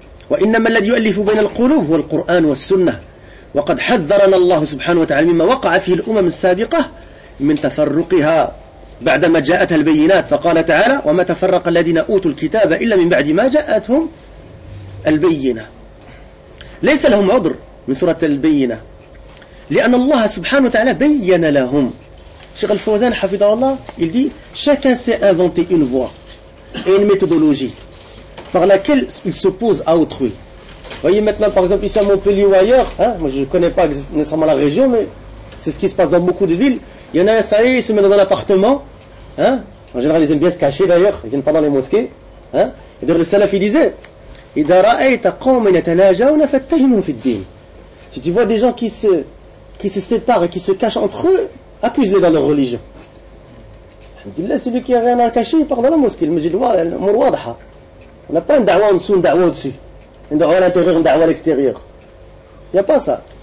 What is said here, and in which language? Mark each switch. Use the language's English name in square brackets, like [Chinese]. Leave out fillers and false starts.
[Arabic] وإنما الذي يؤلف بين القلوب هو القرآن والسنة وقد حذرنا الله سبحانه وتعالى مما وقع فيه الأمم السابقة من تفرقها بعدما جاءتها البينات فقال تعالى وما تفرق الذين أوتوا الكتاب إلا من بعد ما جاءتهم البينة ليس لهم عذر من سورة البينة لأن الله سبحانه وتعالى بيّن لهم. شيخ الفوزان حفظه الله [French] il dit chacun s'est inventé une voie et une méthodologie par laquelle il s'oppose à autrui. Voyez maintenant par exemple ici à Montpellier ou ailleurs, hein, moi je ne connais pas nécessairement la région, mais c'est ce qui se passe dans beaucoup de villes. Il y en a un, ça y est, il se met dans un appartement, hein, en général ils aiment bien se cacher d'ailleurs, ils viennent pas dans les mosquées, hein. Et d'ailleurs le salaf il disait [Arabic] إذا رأيت قوم يتناجون فاتهمهم في الدين. [French] Si tu vois des gens qui se séparent et qui se cachent entre eux, accusent-les dans leur religion. Alhamdulillah, celui qui n'a rien à cacher, il part dans la mosquée. Le musulman, il est mort. On n'a pas une da'wa en dessous, une da'wa au-dessus. Une da'wa à l'intérieur, une da'wa à l'extérieur. Il n'y a pas ça.